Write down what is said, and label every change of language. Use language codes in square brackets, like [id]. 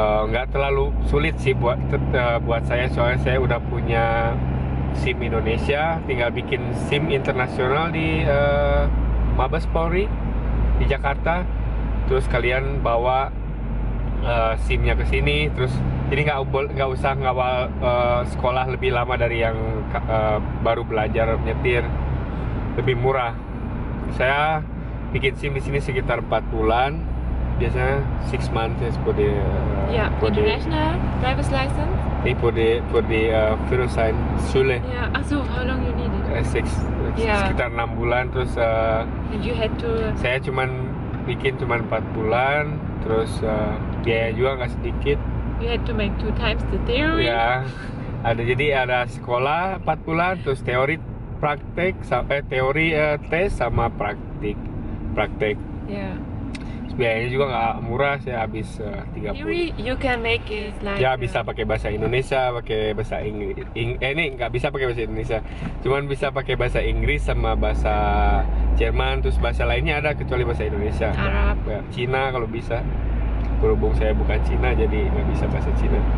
[id] Nggak terlalu sulit sih buat saya, soalnya saya udah punya SIM Indonesia, tinggal bikin SIM internasional di Mabes Polri di Jakarta, terus kalian bawa SIM-nya ke sini, terus jadi nggak usah ngawal sekolah lebih lama dari yang baru belajar nyetir, lebih murah. Saya bikin SIM di sini sekitar 4 bulan. Biasanya [en] 6 months is for the international driver's license. For the Führerschein Schule. Yeah. Ah, so how long you need it? [id] 6. Yeah. Sekitar 6 bulan, terus. [en] And you had to. [id] Saya cuma 4 bulan, terus biaya juga nggak sedikit. [en] You had to make 2 times the theory. [id] Ya, ada jadi ada sekolah 4 bulan, terus teori praktek sampai teori tes sama praktek. [en] Yeah. [id] Biayanya juga nggak murah sih, habis 30. [en] Theory you can make it like. [id] Ya bisa pakai bahasa Indonesia, pakai bahasa Inggris. Ini nggak bisa pakai bahasa Indonesia, cuman bisa pakai bahasa Inggris sama bahasa Jerman, terus bahasa lainnya ada kecuali bahasa Indonesia. Arab. Ya, Cina kalau bisa. Berhubung saya bukan Cina, jadi nggak bisa bahasa Cina.